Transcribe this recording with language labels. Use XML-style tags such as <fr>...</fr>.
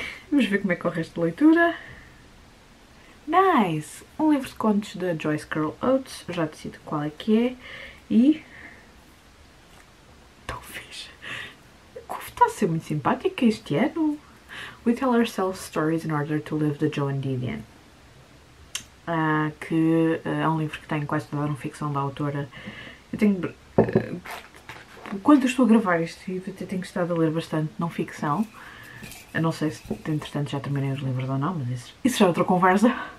<pt>Vamos ver como é que corre esta leitura.</pt> <en>Nice!</en> <pt>Um livro de contos da Joyce Carol Oates, já decido qual é que é. E. Tão fixe! A CUF está a ser muito simpática este ano!</pt> <en>We tell ourselves stories in order to live the Joan Didion.</en> <pt>Que é um livro que tem quase toda a não-ficção da autora. Eu tenho. Quando eu estou a gravar este vídeo, eu tenho estado a ler bastante não-ficção. Eu não sei se, entretanto, já terminei os livros ou não, mas isso já é outra conversa.</pt>